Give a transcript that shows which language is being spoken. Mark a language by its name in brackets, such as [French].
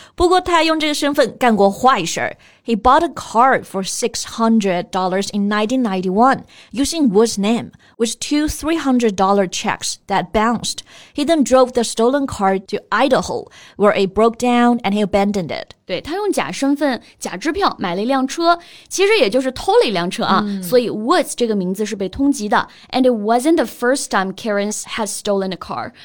[Chinese] 不过他还用这个身份干过坏事。 [English] He bought a car for $600 in 1991 using Woods' name, with $200-$300 checks that bounced. He then drove the stolen car to Idaho, where it broke down and he abandoned it. [Chinese] 对，他用假身份、假支票买了一辆车，其实也就是偷了一辆车啊。 Mm. 所以 Woods 这个名字是被通缉的。 [English] And it wasn't the first time Kearns had stolen a car.